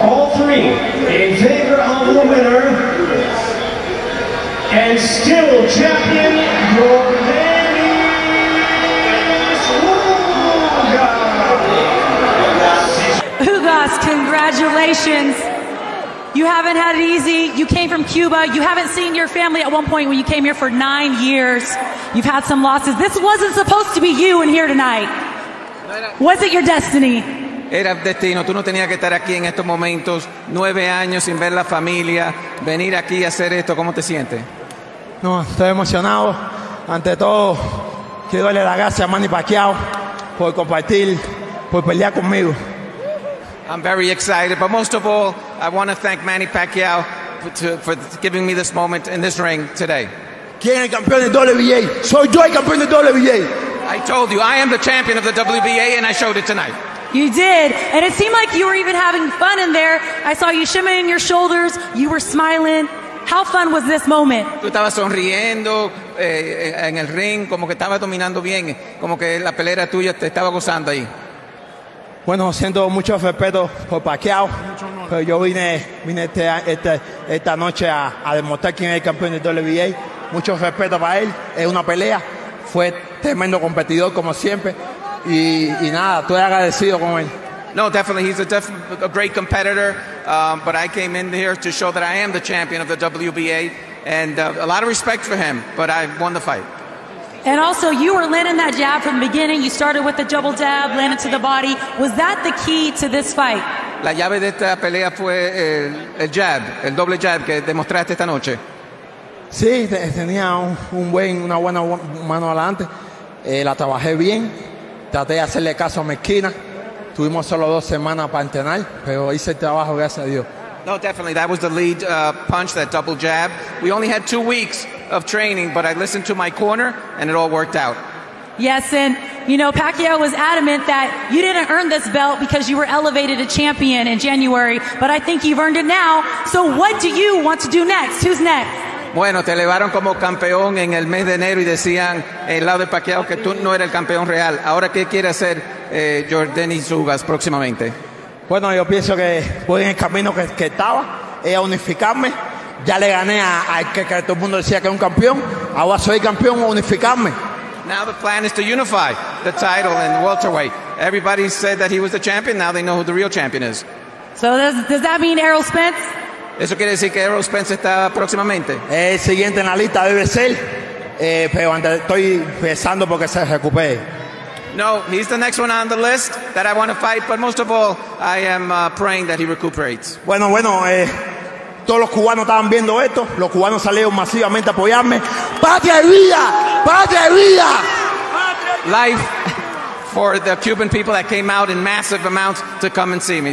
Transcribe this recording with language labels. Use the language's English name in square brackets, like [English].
[English] All three in favor of the winner. And still champion, Yordenis Ugas. Ugas, congratulations. You haven't had it easy. You came from Cuba. You haven't seen your family at one point when you came here for 9 years. You've had some losses. This wasn't supposed to be you in here tonight. Was it your destiny? [Spanish] Era destino. Tú no tenías que estar aquí en estos momentos. 9 años sin ver la familia. Venir aquí a hacer esto. ¿Cómo te sientes? No, estoy emocionado. Ante todo, quiero darle las gracias a Manny Pacquiao por compartir, por pelear conmigo. [English] I'm very excited, but most of all, I want to thank Manny Pacquiao for giving me this moment in this ring today. [Spanish] ¿Quién es campeón de WBA? Soy yo el campeón de WBA. [English] I told you, I am the champion of the WBA, and I showed it tonight. You did, and it seemed like you were even having fun in there. I saw you shimmying your shoulders, you were smiling. How fun was this moment? [Spanish] Tú estabas sonriendo en el ring, como que estabas dominando bien, como que la pelea tuya te estaba gozando ahí. Bueno, siento mucho respeto por Pacquiao, pero yo vine esta noche a demostrar quién es el campeón del WBA. Mucho respeto para él, es una pelea, fue tremendo competidor como siempre, y nada, estoy agradecido con él. [English] No, definitely, he's a great competitor, but I came in here to show that I am the champion of the WBA, and a lot of respect for him, but I won the fight. And also, you were landing that jab from the beginning. You started with the double jab, landed to the body. Was that the key to this fight? [Spanish] La llave de esta pelea fue el jab, el doble jab que demostraste esta noche. Sí, tenía una buena mano adelante. La trabajé bien. Traté de hacerle caso a mi esquina. Tuvimos solo 2 semanas para entrenar, pero hice el trabajo, gracias a Dios. [English] No, definitely, that was the lead punch, that double jab. We only had 2 weeks of training, but I listened to my corner, and it all worked out. Yes, and, you know, Pacquiao was adamant that you didn't earn this belt because you were elevated to champion in January, but I think you've earned it now. So what do you want to do next? Who's next? [Spanish] Bueno, te elevaron como campeón en el mes de enero y decían en el lado de Pacquiao que tú no eras el campeón real. Ahora, ¿qué quiere hacer Yordenis Ugas próximamente? Bueno, yo pienso que voy en el camino que estaba, a unificarme. Ya le gané al que todo el mundo decía que es un campeón. Ahora soy campeón, unificarme. [English] Now the plan is to unify the title in welterweight. Everybody said that he was the champion. Now they know who the real champion is. So does that mean Errol Spence? [Spanish] Eso quiere decir que Errol Spence está próximamente. El siguiente en la lista debe ser, pero estoy pensando porque se recupere. [English] No, he's the next one on the list that I want to fight, but most of all, I am praying that he recuperates. [Spanish] Bueno, todos los cubanos estaban viendo esto. Los cubanos salieron masivamente a apoyarme. ¡Patria y vida! ¡Patria y vida! [English] Life for the Cuban people that came out in massive amounts to come and see me.